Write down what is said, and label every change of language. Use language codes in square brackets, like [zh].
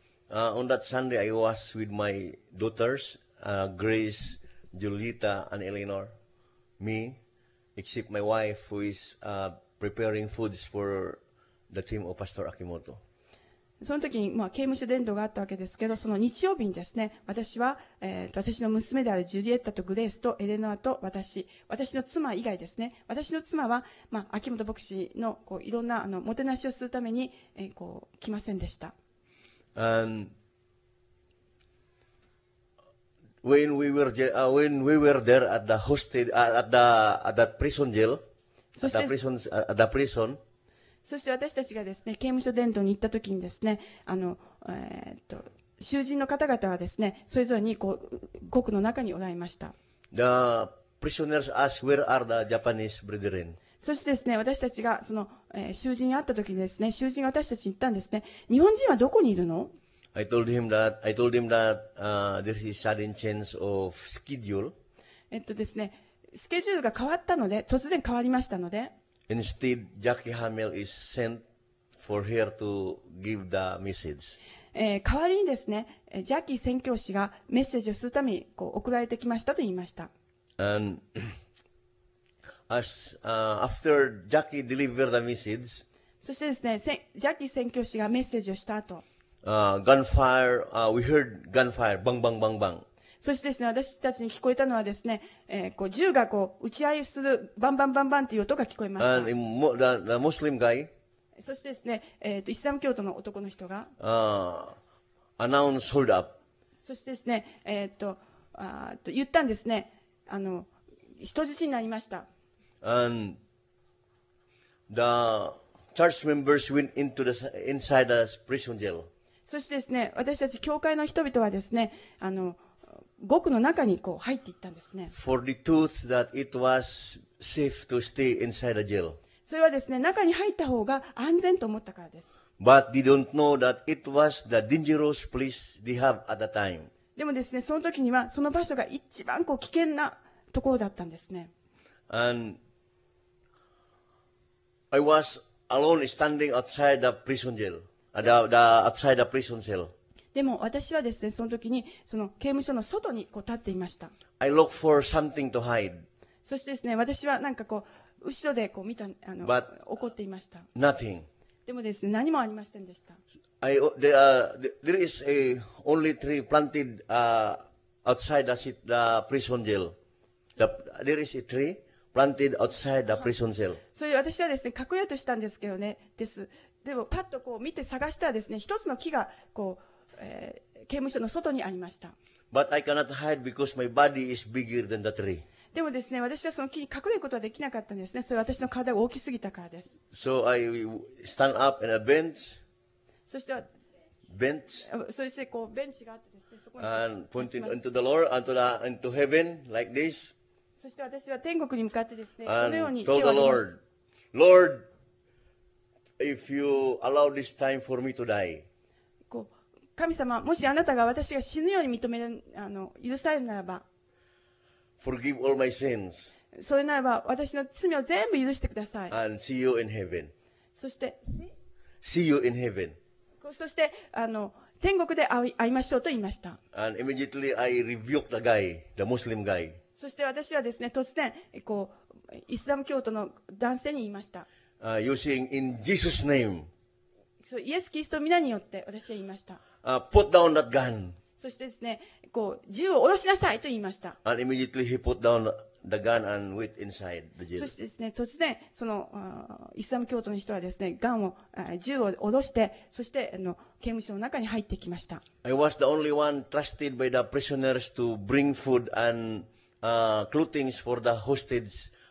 [en] On that Sunday, I was with my daughters, Grace, Julita, and Eleanor. Me, except my wife, who is preparing foods for the team of Pastor Akimoto. [ja] その時に、まあ、刑務所伝道があったわけですけど、その日曜日にですね、私は、私の娘であるジュリエッタとグレースとエレノアと私の妻以外ですね、私の妻は、まあ、秋元牧師のこういろんなあのもてなしをするために、こう来ませんでした。 [en] When we were there at the hostage, at the prison jail, at the prison, [ja] そして私たちがですね、刑務所伝道に行ったときにですね、あの、囚人の方々はですね、それぞれにこう獄の中におられました。 [en] The prisoners asked, "Where are the Japanese brethren?" [ja] そしてですね、私たちがその、囚人に会った時にですね、囚人が私たちに言ったんですね、日本人はどこにいるの？ [en] I told him that there is sudden change of schedule. [ja] ですね、スケジュールが変わったので、突然変わりましたので。 [en] Instead, Jackie Hamel is sent for here to give the message. [ja] 代わりにですね、ジャッキー宣教師がメッセージをするためにこう送られてきましたと言いました。 [en] And as, after Jackie delivered the message, [ja] そしてですね、ジャッキー宣教師がメッセージをした後、 [en] we heard gunfire, bang, bang, bang, bang. [ja] そしてですね、私たちに聞こえたのはですね、こう銃がこう打ち合いするバンバンバンバンという音が聞こえました。 [en] And the Muslim guy, [ja] そしてですね、イスラム教徒の男の人が、 [en] announced hold up. [ja] そしてですね、言ったんですね、あの人質になりました。 [en] And the church members went into the inside the prison jail. [ja] そしてですね、私たち教会の人々はですね、あの獄の中にこう入っていったんですね。 [en] For the truth that it was safe to stay inside the jail. [ja] それはですね、中に入った方が安全と思ったからです。 [en] But they don't know that it was the dangerous place they have at the time. [ja] でもですね、その時にはその場所が一番こう危険なところだったんですね。 [en] And I was alone standing outside the prison jail. Outside the prison cell. [ja] でも私はですね、その時にその刑務所の外にこう立っていました。 [en] I look for something to hide. [ja] そしてですね、私はなんかこう後ろでこう見たあの [en] But, [ja] 怒っていました。 [en] Nothing. [ja] でもですね、何もありませんでした。 [en] There is a only tree planted outside the prison jail. There is a tree planted outside the prison cell. [ja] それ私はですね、隠れようとしたんですけどね、です。でもパッとこう見て探したらですね、一つの木がこう、刑務所の外にありました。 [en] But I cannot hide because my body is bigger than the tree. [ja] でもですね、私はその木に隠れることはできなかったんですね。それは私の体が大きすぎたからです。 [en] So I stand up in a bench. [ja] そして、 [en] bench. [ja] そしてこうベンチがあってですね、そこに。 [en] And pointing into the Lord, into heaven like this. [ja] そして私は天国に向かってですね、 [en] And、 [ja] このように [en] told the Lord, Lord. If you allow this time for me to die, [ja] こう神様、もしあなたが私が死ぬように認めあの許されるならば、 [en] forgive all my sins. [ja] それならば私の罪を全部許してください。 [en] And see you in heaven. [ja] そして、 [en] see you in heaven. [ja] そしてあの天国で会いましょうと言いました。 [en] And immediately I rebuked the guy, the Muslim guy. [ja] そして私はですね、突然こうイスラム教徒の男性に言いました。 [en] Using in Jesus' name. So, yes, Christ, in the name of Jesus, I said. Put down that gun. [ja] そしてですね、こう銃を下ろしなさいと言いました。 [en] And immediately he put down the gun and went inside the jail. [ja] そしてですね、突然そのイスラム教徒の人はですね、ガンを銃を下ろして、そしてあの刑務所の中に入ってきました。 [en] I was the only one trusted by the prisoners to bring food and clothing for the hostages.